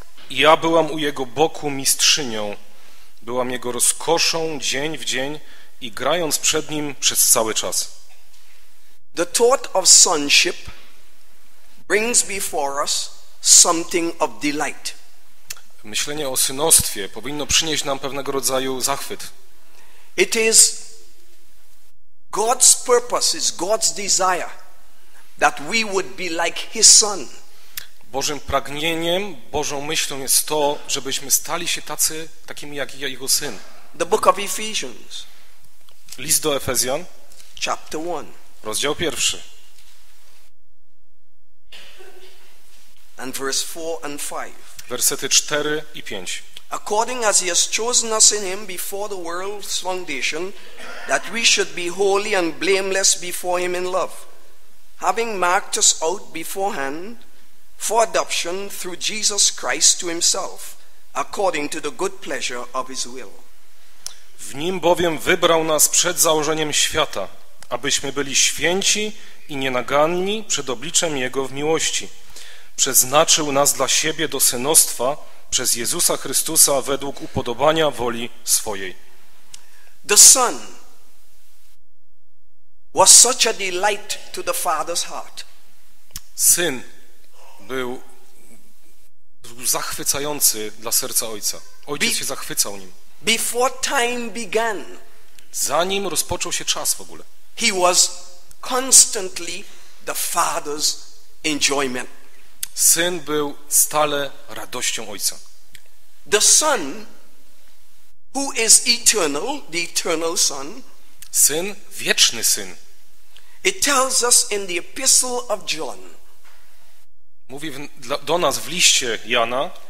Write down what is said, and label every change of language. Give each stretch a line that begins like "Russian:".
Polish: Ja byłam u jego boku mistrzynią, byłam jego rozkoszą dzień w dzień i grając przed nim przez cały czas.
English: The thought of sonship brings before us something of delight.
Polish: Myślenie o synostwie powinno przynieść nam pewnego rodzaju zachwyt.
English: It is God's purpose, is God's desire that we would be like his son.
Polish: Bożym pragnieniem, Bożą myślą jest to, żebyśmy stali się tacy, takimi jak jego syn.
English: The book of Ephesians.
Polish: List do Efezjan.
English: Chapter 1.
Polish: Rozdział 1.
English: And verse 4 and 5.
Polish: Wersety 4 i 5.
English: According as he has chosen us in him before the world's foundation, that we should be holy and blameless before him in love, having marked us out beforehand for adoption through Jesus Christ to himself, according to the good pleasure of his will.
Polish: W nim bowiem wybrał nas przed założeniem świata, abyśmy byli święci i nienaganni przed obliczem jego w miłości. Przeznaczył nas dla siebie do synostwa, przez Jezusa Chrystusa według upodobania woli swojej.
English: The Son was such a delight to the Father's heart.
Polish: Syn był zachwycający dla serca Ojca. Ojciec się zachwycał nim.
English: Before time began,
Polish: zanim rozpoczął się czas w ogóle,
English: he was constantly the Father's enjoyment.
Polish: Syn był stale radością Ojca.
English: The Son, who is eternal, the eternal Son,
Polish: Syn, wieczny Syn.
English: It tells us in the Epistle of John.
Polish: Mówi do nas w liście Jana.